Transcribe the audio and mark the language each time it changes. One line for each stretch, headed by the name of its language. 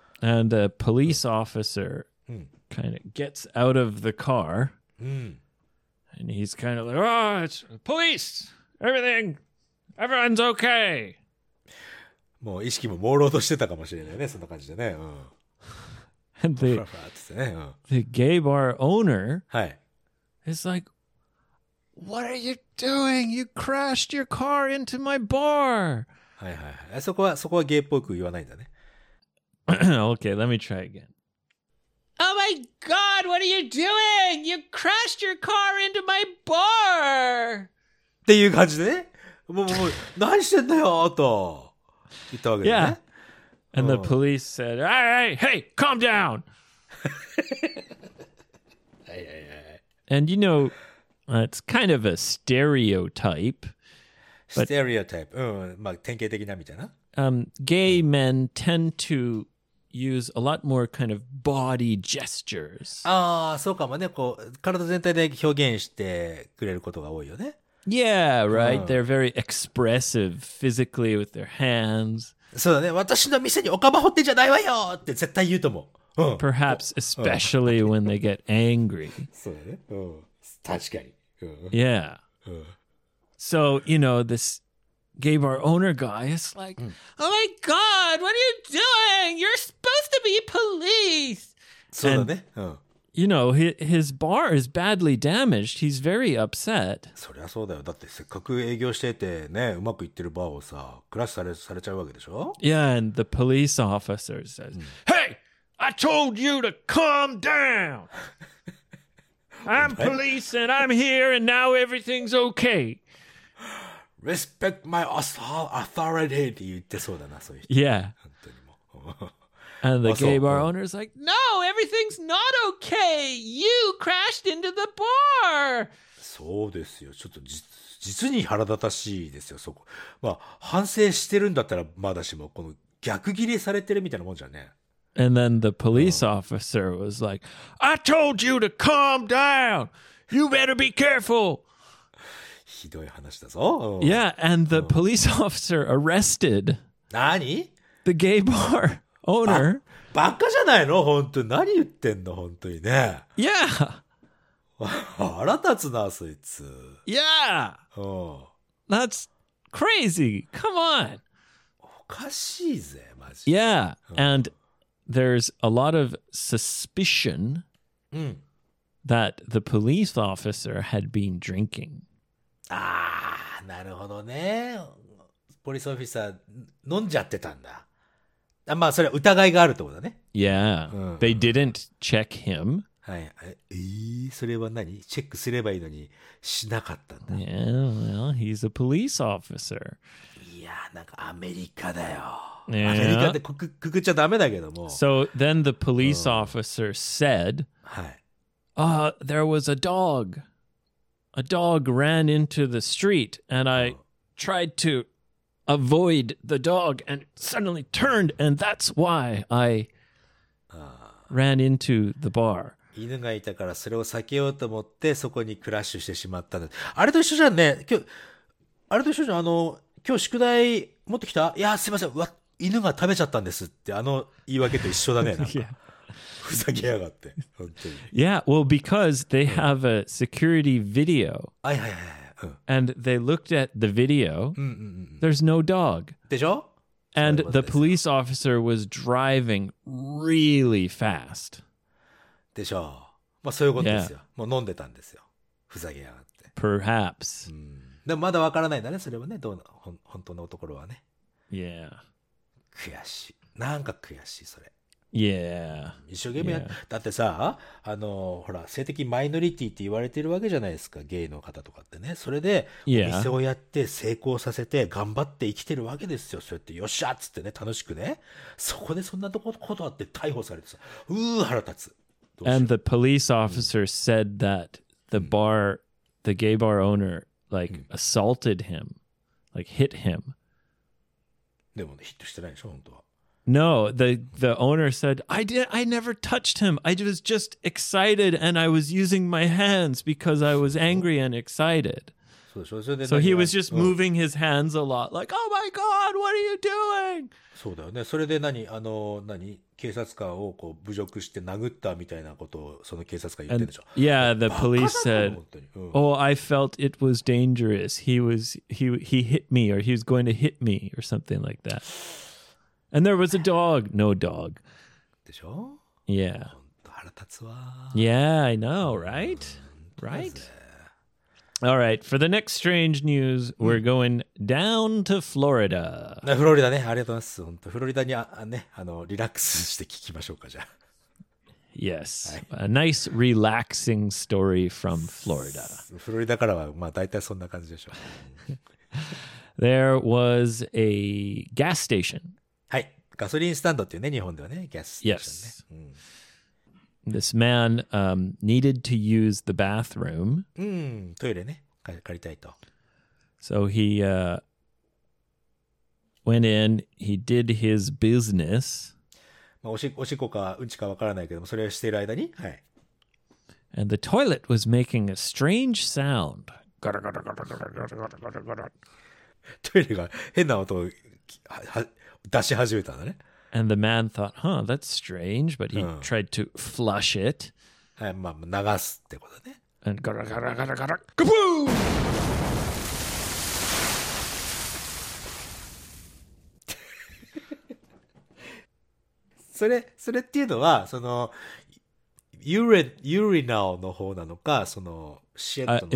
English: And a police officer kind of gets out of the car. And he's kind of like, oh, it's police! Everything! Everyone's okay!
Japanese: もう意識も朦朧としてたかもしれないね、そんな感じでね。
English: And the gay bar owner is like, what are you doing? You crashed your car into my bar!
Japanese: はいはいはい。そこはゲイっぽく言わないんだね。
English: Okay, let me try again. Oh my God, what are you doing? You crashed your car into my bar!
Japanese: っていう感じでね。もう何してんだよ、あと。言ったわけでね。
English: Yeah. And the police said, hey, calm down! And you know, it's kind of a stereotype. Stereotype.
Japanese: まあ典型的なみたいな。
English: Gay men tend to... use a lot more kind of body gestures.
Japanese: Ah, そうかもね。こう、体全体で表現してくれることが多いよね。
English: Yeah, right. They're very expressive physically with their hands.
Japanese: そうだね。私の店にお釜掘ってんじゃないわよって絶対言うと思う。
English: Perhaps especially when they get angry.
Japanese: そうだね。確かに。
English: Yeah. So, you know, this... Gay bar owner guy is like, oh my God, what are you doing? You're supposed to be police.
Japanese: そうだね。
English: And, you know, his bar is badly damaged. He's very upset.
Japanese: そりゃそうだよ。だってせっかく営業しててね、うまくいってるバーをさ、クラッシュされちゃうわけでしょ?
English: Yeah, and the police officer says, hey, I told you to calm down. I'm police and I'm here and now everything's okay. Respect my authority
Japanese: って言ってそうだな、そういう人。
English: Yeah.
Japanese: 本当にも。
English: And the gay bar owner is like, No, everything's not okay! You crashed into the bar!
Japanese: そそうですよ。ちょっと実に腹立たしいですよ、そこ。まあ、反省してるんだったら、まだしも、この逆切れされてるみたいなもんじゃね。
English: And then the police officer was like, I told you to calm down! You better be careful!
Japanese: ひどい話だぞ。
English: Yeah, and the police officer arrested the gay bar owner.
Japanese: バカじゃないの本当に。何言ってんの本当にね。
English: Yeah!
Japanese: 腹立つな、そいつ。
English: Yeah! That's crazy! Come on!
Japanese: おかしいぜ、マジ。
English: Yeah, and there's a lot of suspicion that the police officer had been drinking.
Japanese: ああ、なるほどね。ポリスオフィサー飲んじゃってたんだ。あ、まあそれは疑いがあるってことだね。
English: Yeah, they didn't check him.
Japanese: はい、それは何？チェックすればいいのにしなかったんだ。
English: Yeah, well, he's a police officer.
Japanese: いや、なんかアメリカだよ。
English: Yeah.
Japanese: アメリカでくくっちゃダメだけども。
English: So then the police officer said, there was a dog. A dog ran into the street and I tried to avoid the dog and suddenly turned and that's why I ran into the bar.
Japanese: 犬がいたからそれを避けようと思ってそこにクラッシュしてしまったんだ。あれと一緒じゃんね。今日、あれと一緒じゃん。あの、今日宿題持ってきた？いや、すいません。わ犬が食べちゃったんですってあの言い訳と一緒だねなんか、
English: yeah.
Japanese: ふざけやがって本当に。
English: Yeah, well, because they have a security video.
Japanese: はいはいはい。
English: And they looked at the video. There's no dog.
Japanese: でしょ？
English: And the police officer was driving really fast.
Japanese: でしょ？まあそういうことですよ。もう飲んでたんですよ。ふざけやがって。
English: Perhaps.
Japanese: でもまだわからないんだね。それはね、どうの本当のところはね。
English: Yeah.
Japanese: 悔しい。なんか悔しい、それ。
English: Yeah.
Japanese: 一生懸命や、
English: yeah.
Japanese: だってさ、あの、ほら、性的マイノリティって言われてるわけじゃないですか、ゲイの方とかってね。それで、お店をやって成功させて、頑張って生きてるわけですよ。そうやって、よっしゃっつってね、楽しくね。そこでそんなことあって逮捕されてさ、腹立つ。
English: And the police officer said that the bar, the gay bar owner, like, assaulted him, like, hit him.
Japanese: でもね、ヒットしてないでしょ、本当は。
English: No, the owner said, I never touched him. I was just excited and I was using my hands because I was angry and excited.
Japanese: そうでしょ、それで。
English: So he was just moving his hands a lot, like, oh my god, what are you doing?
Japanese: そうだよね。それで何、あの、何、警察官をこう侮辱して殴ったみたいなことをその警察官言ってるでしょ。
English: And, yeah, the police said, oh, I felt it was dangerous. He hit me or he was going to hit me or something like that. And there was a dog. No dog.
Japanese: でしょ?
English: Yeah.
Japanese: 本当腹立つわ。
English: Yeah, I know, right? Right? All right, for the next strange news, we're going down to Florida.
Japanese: フロリダね、ありがとうございます。本当、フロリダにあね、あの、リラックスして聞きましょうか、じゃあ。
English: Yes,、はい、a nice relaxing story from Florida.
Japanese: フロリダからは、まあ、大体そんな感じでしょう。
English: There was a gas station.
Japanese: はい、ガソリンスタンドっていうね、日本ではね、ガスステーションね。
English: Yes.、
Japanese: うん、
English: This man needed to use the bathroom.
Japanese: トイレね、借りたいと。
English: So he went in, he did his business.
Japanese: まあ、おしっこかうんちかわからないけども、それをしている間に、はい。
English: And the toilet was making a strange sound.
Japanese: ガラガラガラガラガラガラガラガラ。トイレが変な音を出し始めたんだね。
English: And the man thought, huh, that's strange, but he tried to flush it.
Japanese: はい、まあ、流すってことね。 And ガラガラガラガラ、カブーそれっていうのは、その、urinal の方なのか、その、シェットの方。